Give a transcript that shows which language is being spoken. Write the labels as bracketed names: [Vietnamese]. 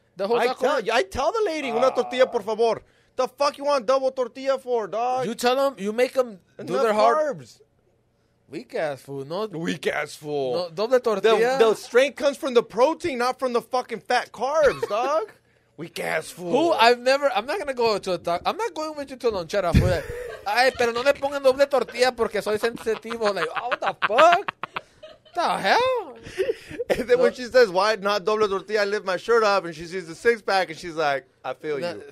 [English] The whole taco. I tell the lady, [Spanish] una tortilla, por favor. [English] The fuck you want double tortilla for, dog? You tell them, you make them do their carbs. Weak ass fool, no. Weak ass fool. No, double tortilla. The strength comes from the protein, not from the fucking fat carbs, dog. Weak ass fool. I'm not gonna go to a taco. I'm not going with you to lonchera, fool. [Spanish] Ay, pero no le pongan doble tortilla porque soy sensitivo. [English] Like, oh, what the fuck? The hell? And then when she says, why not [Spanish] doble tortilla, [English] I lift my shirt up and she sees the six pack and she's like, I feel you.